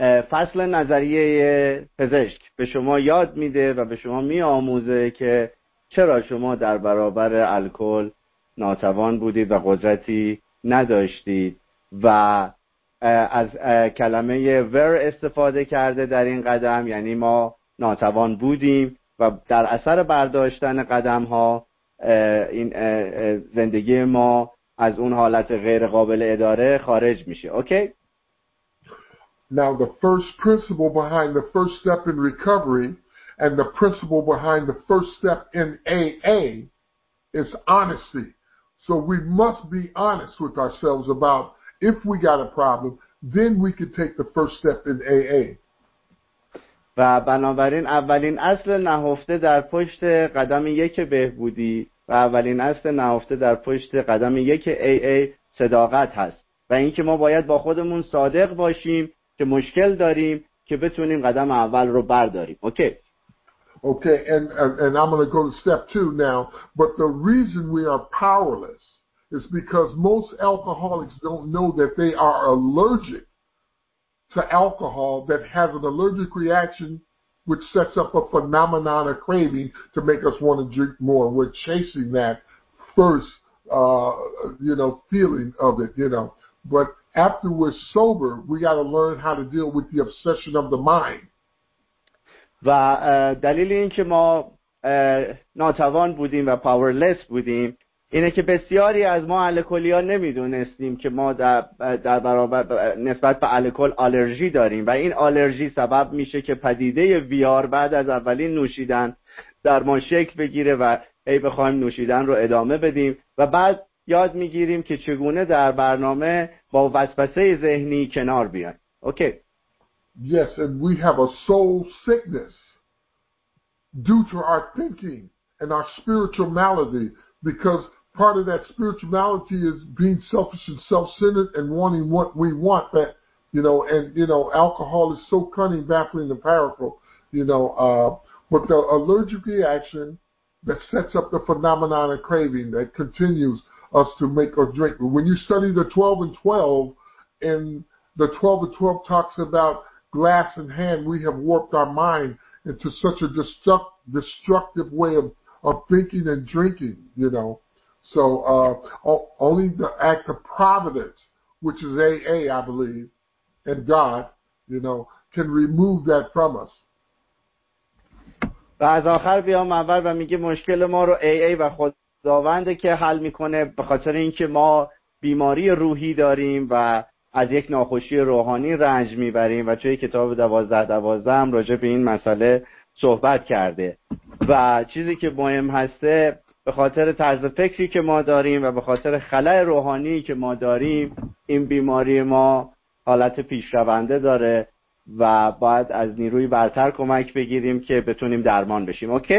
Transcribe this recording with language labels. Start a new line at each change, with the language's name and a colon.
Persian: فصل نظریه پزشک به شما یاد میده و به شما میآموزه که چرا شما در برابر الکل ناتوان بودید و قدرتی نداشتید و از کلمه were استفاده کرده در این قدم، یعنی ما ناتوان بودیم و در اثر برداشتن قدم ها این زندگی ما از اون حالت غیر قابل اداره خارج میشه.
English: Okay? Now, the first principle behind the first step in recovery and the principle behind the first step in AA is honesty. So we must be honest with ourselves about if we got a problem, then we can take the first step in AA.
Persian: و بنابراین اولین اصل نهفته در پشت قدم یک بهبودی و اولین اصل نهفته در پشت قدم یک AA صداقت هست و اینکه ما باید با خودمون صادق باشیم که مشکل داریم که بتونیم قدم اول رو برداریم. اوکی؟
English: Okay, and I'm going to go to step two now. But the reason we are powerless is because most alcoholics don't know that they are allergic to alcohol, that has an allergic reaction, which sets up a phenomenon of craving to make us want to drink more. We're chasing that first, feeling of it, But after we're sober, we got to learn how to deal with the obsession of the mind.
Persian: و دلیل این که ما ناتوان بودیم و پاورلس بودیم اینه که بسیاری از ما الکلی ها نمیدونستیم که ما در برابر نسبت به الکل آلرژی داریم و این آلرژی سبب میشه که پدیده ویار بعد از اولین نوشیدن در ما شکل بگیره و ای بخوایم نوشیدن رو ادامه بدیم و بعد یاد میگیریم که چگونه در برنامه با وسوسه ذهنی کنار بیایم.
English: Okay. Yes, and we have a soul sickness due to our thinking and our spiritual malady, because part of that spiritual malady is being selfish and self-centered and wanting what we want, that, alcohol is so cunning, baffling, and powerful, but the allergic reaction that sets up the phenomenon of craving that continues us to make or drink. When you study the 12 and 12, and the 12 and 12 talks about glass in hand, we have warped our mind into such a destructive way of thinking and drinking, So only the act of providence, which is AA, I believe, and God, can remove that from us.
Persian: و از آخر بیام اول و میگه مشکل ما رو AA و خداونده که حل میکنه به خاطر اینکه ما بیماری روحی داریم و از یک ناخوشی روحانی رنج میبریم و توی کتاب 12-12 هم راجع به این مسئله صحبت کرده و چیزی که مهم هسته به خاطر طرز فکری که ما داریم و به خاطر خلأ روحانی که ما داریم این بیماری ما حالت پیشرونده داره و باید از نیروی برتر کمک بگیریم که بتونیم درمان بشیم.